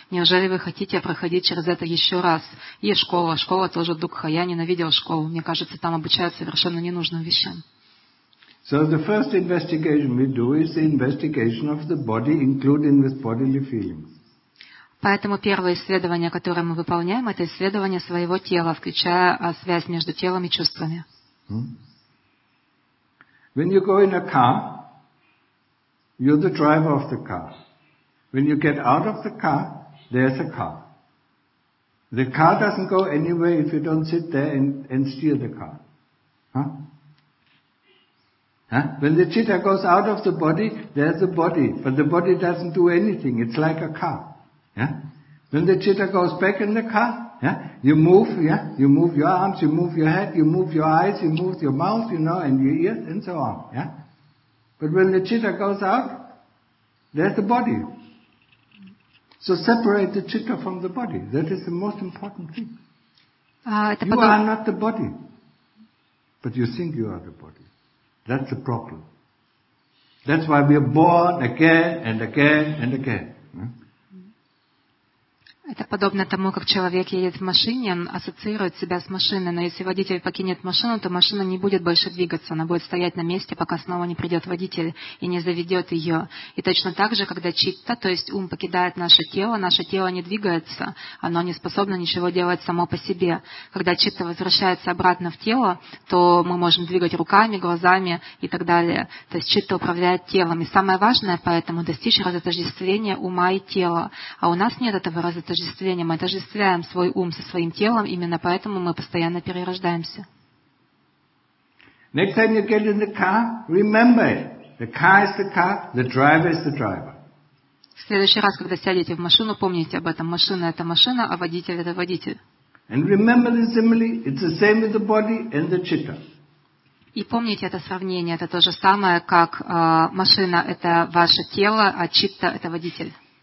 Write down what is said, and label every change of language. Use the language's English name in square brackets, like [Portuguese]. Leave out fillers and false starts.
[Russian] Неужели вы хотите проходить через это еще раз? И школа. Школа тоже дукха. Я ненавидела школу. Мне кажется, там обучают совершенно ненужным вещам. [English] So the first investigation we do is the investigation of the body, including with bodily feelings. [Russian] Поэтому первое исследование, которое мы выполняем, это исследование своего тела, включая связь между телом и чувствами. [English] When you go in a car, you're the driver of the car. When you get out of the car, there's a car. The car doesn't go anywhere if you don't sit there and steer the car. When the citta goes out of the body, there's a body, but the body doesn't do anything. It's like a car. When the citta goes back in the car, you move, you move your arms, you move your head, you move your eyes, you move your mouth, you know, and your ears, and so on. But when the citta goes out, there's the body. So separate the citta from the body. That is the most important thing. You are not the body, but you think you are the body. That's the problem. That's why we are born again and again and again. [Russian] Это подобно тому, как человек едет в машине, он ассоциирует себя с машиной, но если водитель покинет машину, то машина не будет больше двигаться, она будет стоять на месте, пока снова не придет водитель и не заведет ее. И точно так же, когда читта, то есть ум, покидает наше тело не двигается, оно не способно ничего делать само по себе. Когда читта возвращается обратно в тело, то мы можем двигать руками, глазами и так далее. То есть читта управляет телом. И самое важное поэтому – достичь разотождествления ума и тела. А у нас нет этого разотождествления. Мы отождествляем свой ум со своим телом, именно поэтому мы постоянно перерождаемся. [English] Next time you get in the car, remember it. The car is the car, the driver is the driver. [Russian] В следующий раз, когда сядете в машину, помните об этом. Машина – это машина, а водитель – это водитель. [English] And remember the simile, it's the same with the body and the citta. [Russian] И помните это сравнение, это то же самое, как машина – это ваше тело, а читта – это водитель.